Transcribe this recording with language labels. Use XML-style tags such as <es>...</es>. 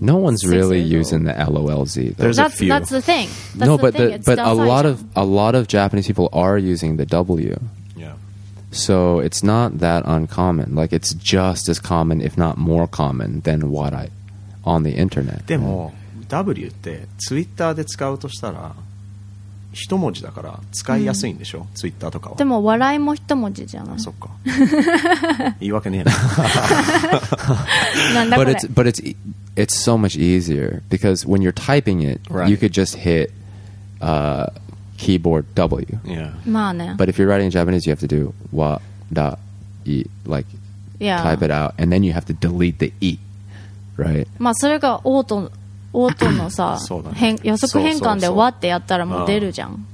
<en>no one's really using the LOLZ. There's a few. That's the thing. That's no, the but thing. The, but a lot of a lot of Japanese people are using the W. So it's not that uncommon. Like it's just as common, if not more common, than what I on the internet.</en> <ja>でも、</ja> <en>yeah.</en> <ja>W ってツイッターで使うとしたら一文字だから使いやすいんでしょ、mm. ツイッターとかは。でも笑いも一文字じゃない。そっか。言い訳ねえな。なんだこれ。</ja> <en>But it's so much easier because when you're typing it,、right. you could just hit. Keyboard W. Yeah.</en> <ja>まあね。</ja> <en>But if you're writing in Japanese, you have to do wa da e like yeah. type it out, and then you have to delete the e, right?</en> <ja>まあそれがオートのさ、予測変換でわってやったらもう出るじゃん。</ja>